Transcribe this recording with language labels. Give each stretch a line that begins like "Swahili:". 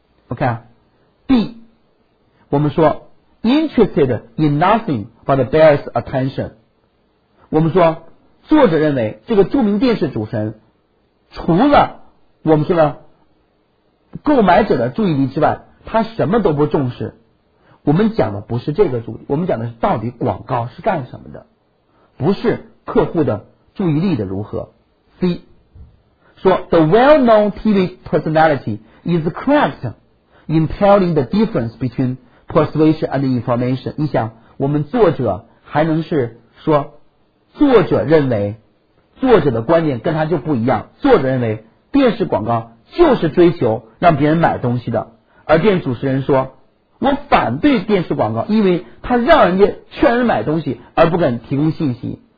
Chinese: OK， B， 我们说
English: interested in nothing but bears attention，
Chinese: 我们说作者认为这个著名电视主持人除了我们说的购买者的注意力之外，他什么都不重视。我们讲的不是这个主题，我们讲的是到底广告是干什么的，不是客户的注意力的如何。
English: C 说 The well-known TV personality is correct in telling the difference between persuasion and information。
Chinese: 你想我们作者还能是说作者认为作者的观点跟他就不一样，作者认为电视广告就是追求让别人买东西的，而电视主持人说我反对电视广告，因为他让人家劝人买东西而不敢提供信息。